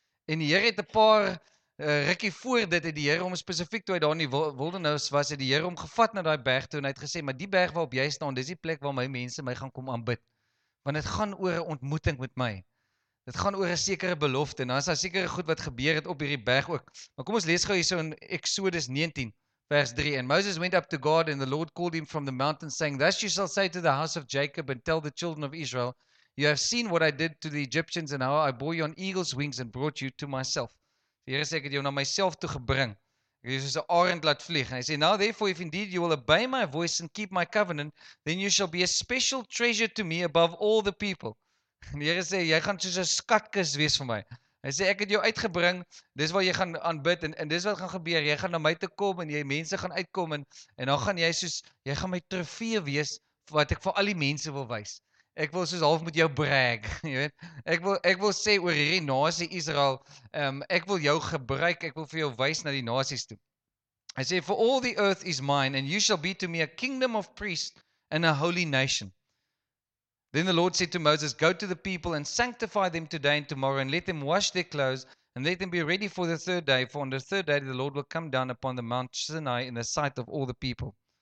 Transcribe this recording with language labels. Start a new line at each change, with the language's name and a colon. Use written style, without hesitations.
Afrikaans: En die Here het 'n paar rukkie voor dit het die Here hom spesifiek toe uit daar in die wildernis was, het die Here hom gevat na daai berg toe en hy het gesê, maar die berg waarop jy staan, dis die plek waar my mense my gaan kom aanbid, want dit gaan oor 'n ontmoeting met my, dit gaan oor 'n sekere belofte, en dan is daar sekere goed wat gebeur het op hierdie berg ook, maar kom ons lees gou hierso in Exodus 19
English: Vers 3, and Moses went up to God, and the Lord called him from the mountain, saying, Thus you shall say to the house of Jacob, and tell the children of Israel, You have seen what I did to the Egyptians, and how I bore you on eagle's wings, and brought you to myself.
Afrikaans: Here sê, ek het jou na myself toe gebring. Hy sê, soos 'n arend laat vlieg. En hy sê,
English: Now therefore, if indeed you will obey my voice, and keep my covenant, then you shall be a special treasure to me above all the people.
Afrikaans: En Here sê, jy gaan soos 'n skatkis wees vir my. Hy sê, ek het jou uitgebring, dis wat jy gaan aanbid, en dis wat gaan gebeur, jy gaan na my toe kom, en jy mense gaan uitkom, en dan gaan jy soos, jy gaan my trofee wees, wat ek vir al die mense wil wys. Ek wil soos half met jou brag, jy weet, ek wil sê oor hierdie nasie Israel, ek wil jou gebruik, ek wil vir jou wys na die nasies toe. Hy sê,
English: for all the earth is mine, and you shall be to me a kingdom of priests, and a holy nation. Then the Lord said to Moses, Go to the people and sanctify them today and tomorrow and let them wash their clothes and let them be ready for the third day. For on the third day the Lord will come down upon the Mount Sinai in the sight of all the people.